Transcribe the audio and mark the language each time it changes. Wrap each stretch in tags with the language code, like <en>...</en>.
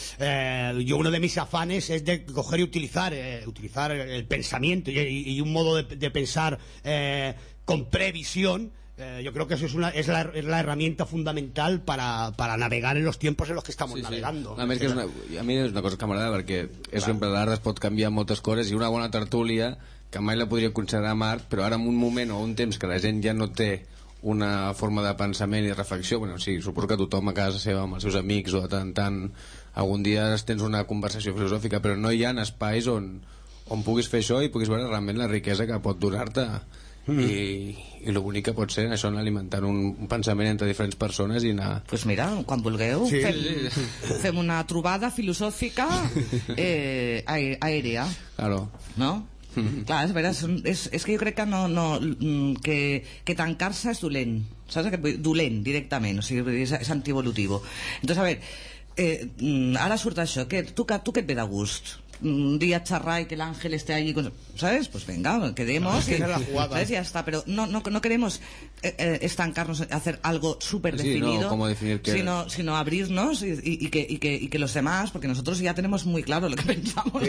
<es>Yo, uno de mis afanes es de coger y utilizar el pensamiento y un modo de pensar con previsión. Yo creo que eso es la herramienta fundamental para navegar en los tiempos en los que estamos, sí, navegando. Sí.</es> <ca>A mí es una cosa que m'agrada, perquè és sempre l'art, es pot canviar moltes coses, i una bona tertúlia, que mai la podria considerar art, però ara en un moment o un temps que la gent ja no té una forma de pensament i reflexió, bueno, sí, suposo que tothom a casa seva, amb els seus amics o de tant en tant, algun dia tens una conversació filosòfica, però no hi ha espais on puguis fer això i puguis veure realment la riquesa que pot donar-te. I el bonic que pot ser això, anar alimentant un pensament entre diferents persones i anar... Pues mira, quan vulgueu, sí. fem una trobada filosòfica aèria.</ca> <es>Claro. No?</es> <ca>Clar, és veritat, és que jo crec que no, que tancar-se és dolent, saps? Dolent, directament, o sigui, és antievolutivo.</ca> <es>Entonces,</es> <ca>a veure, ara surt això, que tu què et ve de gust?</ca> <es>Un día</es> <ca>charrar</ca> <es>y que el ángel esté allí con, ¿sabes? Pues venga, quedemos, no, es que y, ¿sabes? Ya está, pero no queremos estancarnos, hacer algo súper definido, sí, no, ¿cómo definir qué? sino abrirnos y que los demás, porque nosotros ya tenemos muy claro lo que pensamos, sí.</es>